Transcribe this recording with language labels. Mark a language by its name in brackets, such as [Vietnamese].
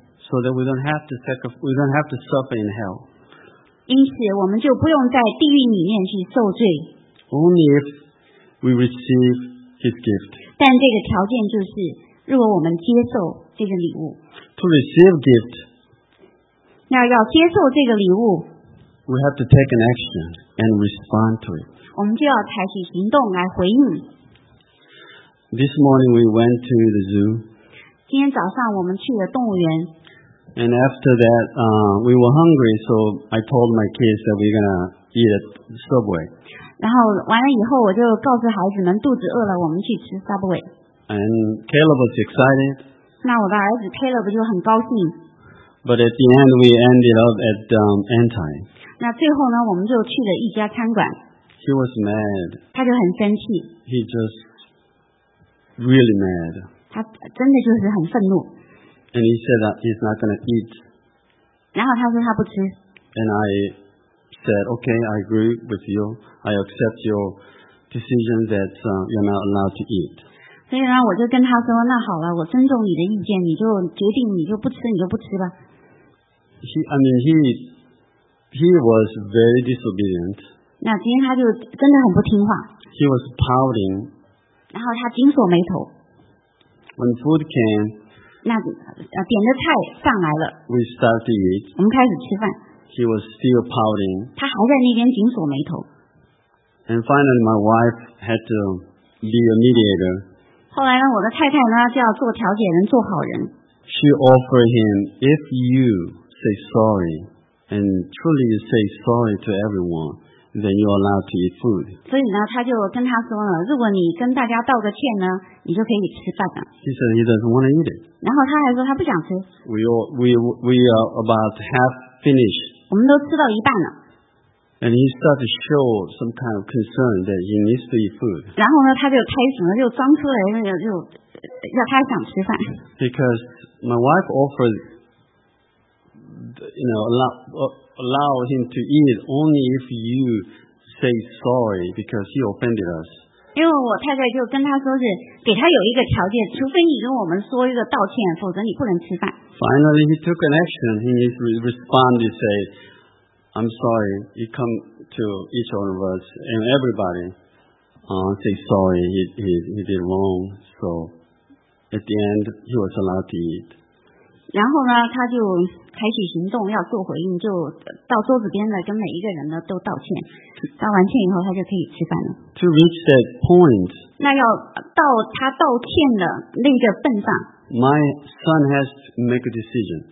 [English] So that we don't have to suffer in hell. [Chinese] 因此我们就不用在地狱里面去受罪。 [English] Only if we receive his gift. [Chinese] 但这个条件就是，如果我们接受这个礼物。 [English] To receive gift. [Chinese] 那要接受这个礼物。 [English] We have to take an action and respond to it. [Chinese] 我们就要采取行动来回应。 [English] This morning we went to the zoo. [Chinese] 今天早上我们去了动物园。 [English] And after that, we were hungry, so I told my kids that we're gonna eat at Subway. [Chinese] 然后完了以后，我就告诉孩子们肚子饿了，我们去吃 Subway. [English] And Caleb was excited. [Chinese] 那我的儿子 Caleb 就很高兴。 [English] But at the end, we ended up at Anti. [Chinese] 那最后呢，我们就去了一家餐馆。 [English] He was mad. [Chinese] 他就很生气。 [English] He just really mad. [Chinese] 他真的就是很愤怒。 [English] And he said that he's not going to eat. [Chinese] 然后他说他不吃。 [English] And I said, okay, I agree with you. I accept your decision that you're not allowed to eat. [Chinese] 所以呢，我就跟他说，那好了，我尊重你的意见，你就决定你就不吃，你就不吃吧。 [English] He was very disobedient. [Chinese] 那今天他就真的很不听话。 [English] He was pouting. [Chinese] 然后他紧锁眉头。 [English] When food came. [Chinese] 那点的菜上来了 [English] We start to eat. [Chinese] 我们开始吃饭 [English] He was still pouting. [Chinese] 他还在那边紧锁眉头 [English] And finally my wife had to be a mediator. [Chinese] 后来呢我的太太呢就要做调解人做好人 [English] She offered him if you say sorry and truly say sorry to everyone then you're allowed to eat food. [Chinese] 所以呢他就跟他说了如果你跟大家道个歉呢你就可以吃饭了 [English] He said he doesn't want to eat it. [Chinese] 然后他还说他不想吃。 [English] We are about half finished. [Chinese] 我们都吃到一半了。 [English] And he started to show some kind of concern that he needs to eat food. [Chinese] 然后呢，他就开始呢，就装出来，就要他想吃饭。 [English] Because my wife offered, you know, allow him to eat only if you say sorry because he offended us. [Chinese] 因为我太太就跟他说是给他有一个条件，除非你跟我们说一个道歉，否则你不能吃饭。 [English] Finally, he took an action. He responded, said, "I'm sorry. You come to each one of us and everybody, say sorry. He did wrong. So at the end, he was allowed to eat." [Chinese] 然后呢，他就采取行动要做回应，就到桌子边呢跟每一个人呢都道歉。道完歉以后，他就可以吃饭了。 [English] To reach that point, [Chinese] 那要到他道歉的那个份上。 [English] My son has to make a decision.